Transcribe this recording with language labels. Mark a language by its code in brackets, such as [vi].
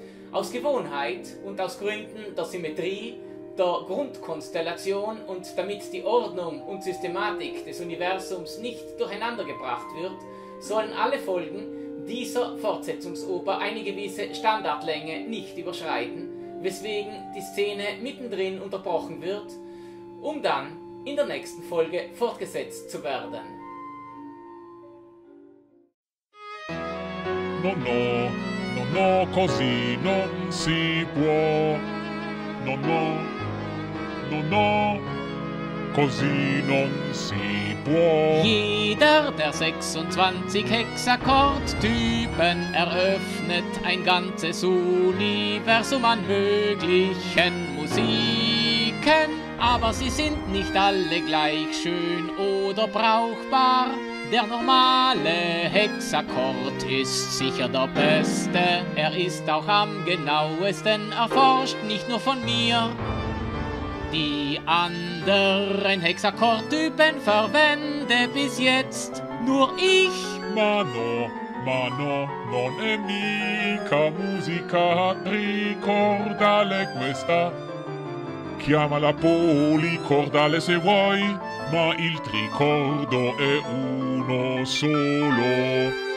[de] Aus Gewohnheit und aus Gründen der Symmetrie, der Grundkonstellation und damit die Ordnung und Systematik des Universums nicht durcheinandergebracht wird, sollen alle Folgen dieser Fortsetzungsoper eine gewisse Standardlänge nicht überschreiten, weswegen die Szene mittendrin unterbrochen wird, um dann in der nächsten Folge fortgesetzt zu werden. [it] No, no, no, no, così non si può. No, no, no, no, così non si può. [de] Jeder der 26 Hexakkordtypen eröffnet ein ganzes Universum an möglichen Musiken. Aber sie sind nicht alle gleich schön oder brauchbar. Der normale Hexakkord ist sicher der beste. Er ist auch am genauesten erforscht, nicht nur von mir. Die anderen Hexakkordtypen verwende bis jetzt nur ich. [it] Mano, mano, non è mica musica, ricordale questa. Chiama la policordale se vuoi, ma il tricordo è uno solo.